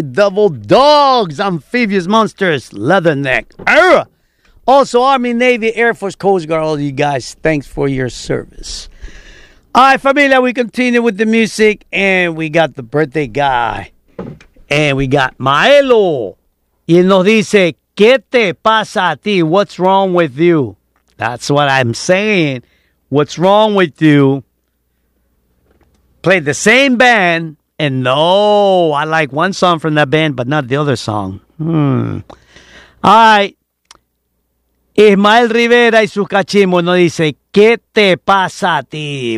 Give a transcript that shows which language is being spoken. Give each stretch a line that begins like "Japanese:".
English: Double dogs, amphibious monsters, leatherneck. Also, Army, Navy, Air Force, Coast Guard, all you guys, thanks for your service. All right, familia, we continue with the music, and we got the birthday guy, and we got Maelo.
Spanish: Y nos dice, ¿qué te pasa a ti?
English: What's wrong with you? That's what I'm saying. What's wrong with you? Play the same band And no, I like one song from that band, but not the other song. All right.
Spanish: Ismael Rivera y su cachimbo nos dice, ¿qué te pasa a ti?